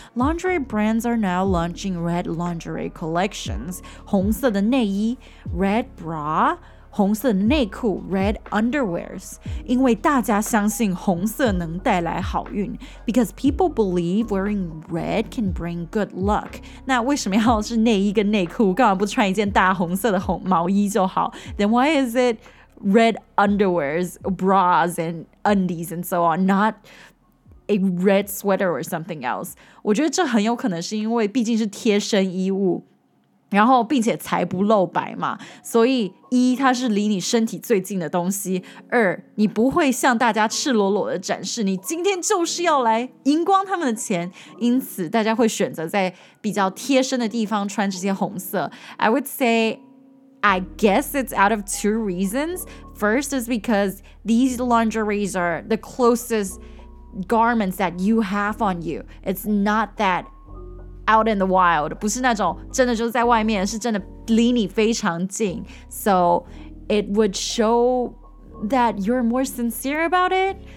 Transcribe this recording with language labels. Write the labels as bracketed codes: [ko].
[en] Lingerie brands are now launching red lingerie collections. [zh] 红色的内衣, [en] red bra, [zh] 红色内裤, [en] red underwears. [zh] 因为大家相信红色能带来好运, [en] because people believe wearing red can bring good luck. [zh] 那为什么要是内衣跟内裤, 干嘛不穿一件大红色的毛衣就好? [en] Then why is it red underwears, bras and undies and so on, not a red sweater or something else? [zh] 我觉得这很有可能是因为毕竟是贴身衣物, 然后并且才不露白嘛, 所以一,它是离你身体最近的东西, 二,你不会向大家赤裸裸的展示, 你今天就是要来赢光他们的钱, 因此大家会选择在比较贴身的地方穿这些红色。 [en] I would say, I guess it's out of two reasons. First is because these lingeries are the closest garments that you have on you. It's not that out in the wild, [zh] 不是那种真的就在外面, 是真的离你非常近, [en] so it would show that you're more sincere about it.